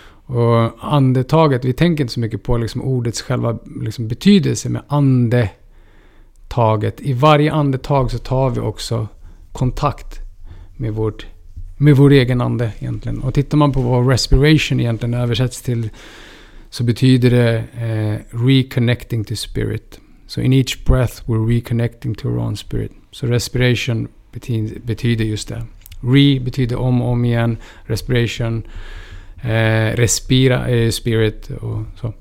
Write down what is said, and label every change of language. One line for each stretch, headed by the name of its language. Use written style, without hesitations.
Swedish: Och andetaget, vi tänker inte så mycket på liksom ordets själva liksom betydelse med andetaget. I varje andetag så tar vi också kontakt med vår egen ande egentligen. Och tittar man på vad respiration egentligen översätts till, så betyder det
English: reconnecting to spirit. So in each breath we're reconnecting to our own spirit.
Swedish: So respiration betyder just det. Re betyder om och om igen, respiration, respira är spirit och så.